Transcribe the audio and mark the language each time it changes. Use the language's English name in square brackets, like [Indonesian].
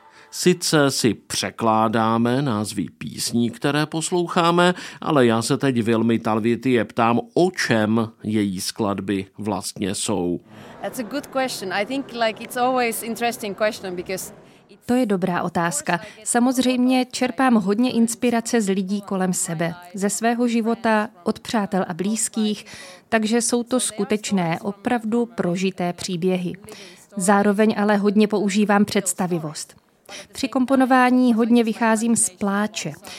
[Czech] Sice si překládáme názvy písní, které posloucháme, ale já se teď Vilmy Talvitie ptám, o čem její skladby vlastně jsou. [English] That's a good question. I think like it's always interesting question because [Czech] to je dobrá otázka. Samozřejmě čerpám hodně inspirace z lidí kolem sebe, ze svého života, od přátel a blízkých, takže jsou to skutečné, opravdu prožité příběhy. Zároveň ale hodně používám představivost. Při komponování hodně vycházím z pláče.